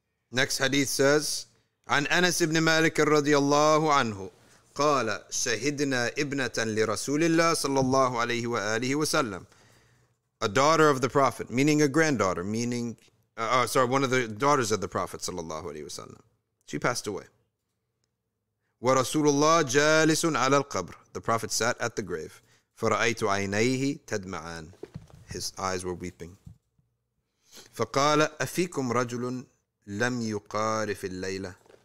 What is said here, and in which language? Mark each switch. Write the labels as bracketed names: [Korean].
[English] Next hadith says, [Arabic] عن أنس بن مالك رضي الله عنه قال شهدنا ابنة لرسول الله صلى الله عليه وآله وسلم. [English] A daughter of the Prophet, meaning a granddaughter, meaning, one of the daughters of the Prophet صلى الله عليه وسلم. She passed away. [Arabic] ورسول الله جالس على القبر. [English] The Prophet sat at the grave. [Arabic] فرأيت عينيه تدمعان. [English] His eyes were weeping. [Arabic] فقال أفيكم رجل لم يقارف الليلة.